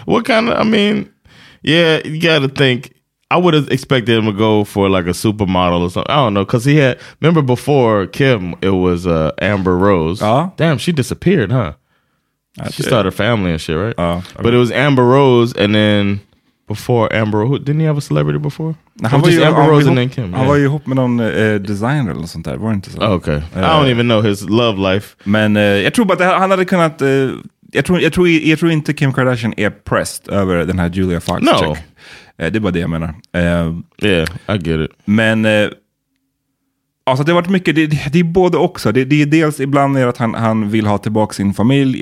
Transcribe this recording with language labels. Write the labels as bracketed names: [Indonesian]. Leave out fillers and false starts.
[English] What kind of, I mean, yeah, you gotta think. I would have expected him to go for like a supermodel or something. I don't know, because he had, remember before Kim, it was Amber Rose. Damn, she disappeared, huh? She started a family and shit, right? But it was Amber Rose, and then before Amber, didn't he have a celebrity before? [Swedish] Han var ju ihop med någon designer eller sånt där, var inte så? [English] Okay, I don't even know his love life. [Swedish] Men jag tror bara att han hade kunnat, jag tror inte Kim Kardashian är pressed över den här Julia Fox-check. [English] No. [Swedish] Det är bara det jag menar. [English] Yeah, I get it. [Swedish] Men Alltså det har varit mycket, det är både också. Det är dels ibland är att han vill ha tillbaka sin familj.